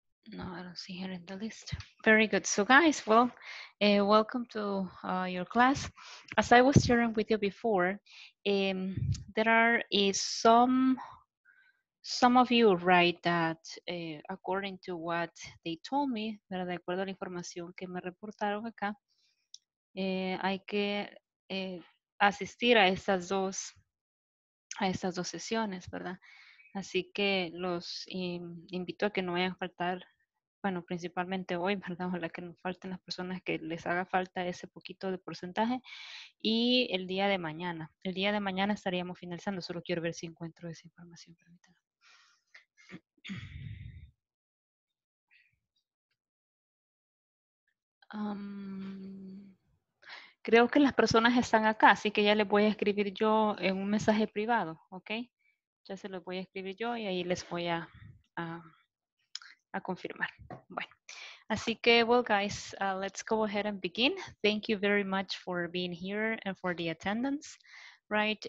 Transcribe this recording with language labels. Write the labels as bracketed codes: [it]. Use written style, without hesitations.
[en] No, I don't see her in the list. Very good. So guys, well, welcome to your class. As I was sharing with you before, there are some of you write that according to what they told me, ¿verdad? [es] De acuerdo a la información que me reportaron acá, hay que asistir a estas dos sesiones, ¿verdad? Así que los invito a que no vayan a faltar. Bueno, principalmente hoy, ¿verdad? Ojalá que nos falten las personas que les haga falta ese poquito de porcentaje. Y el día de mañana. El día de mañana estaríamos finalizando. Solo quiero ver si encuentro esa información. Permítanme. Creo que las personas están acá, así que ya les voy a escribir yo en un mensaje privado, ¿ok? Ya se los voy a escribir yo y ahí les voy a confirmar. Bueno, así que, [en] well, guys, let's go ahead and begin. Thank you very much for being here and for the attendance, right?